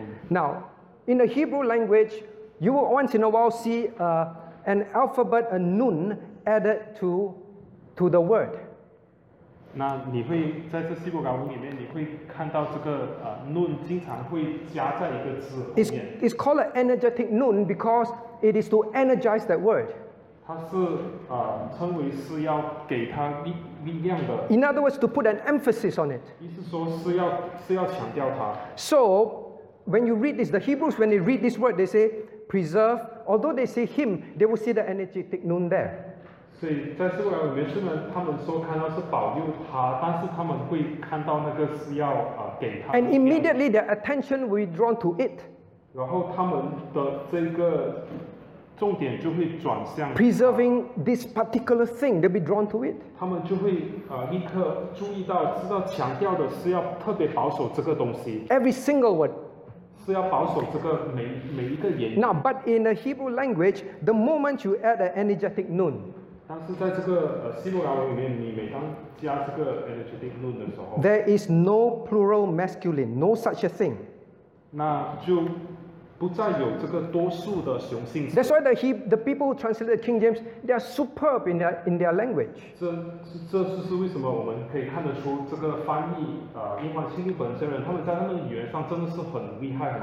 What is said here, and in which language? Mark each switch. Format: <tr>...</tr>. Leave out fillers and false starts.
<en>Now, in the Hebrew language, you will once in a while see an an alphabet, a nun, added to the word.</en> <zh>那你会在这希伯来文里面，你会看到这个nun 经常会加在一个字后面。</zh> <en>It's called an energetic nun because it is to energize that word.</en> <zh>它是称为是要给它力量的。</zh> <en>In other words, to put an emphasis on it.</en> <zh>意思说是要强调它。</zh> <en>So when you read this, the Hebrews when they read this word, they say preserve. Although they say him, they will see the energetic nun there.</en> <zh>所以在希伯来文里面，虽然他们说看到是保佑他，但是他们会看到那个是要给他。</zh> <en>And immediately their attention will be drawn to it.</en> <zh>然后他们的这个重点就会转向。</zh> <en>Preserving this particular thing, they'll be drawn to it.</en> <zh>他们就会立刻注意到，知道强调的是要特别保守这个东西。</zh> <en>Every single word.</en> <zh>是要保守这个每一个言语。</zh> <en>Now, but in the Hebrew language, the moment you add an energetic nun.</en> <zh>但是在这个希伯来文里面，你每当加这个 energetic nun 的时候</zh> <en>，there is no plural masculine, no such a thing.</en> <zh>那就不再有这个多数的雄性词。</zh> <en>That's why the people who translated King James, they are superb in their language.</en> <zh>这就是为什么我们可以看得出这个翻译英皇新译本圣人，他们在他们的语言上真的是很厉害。</zh>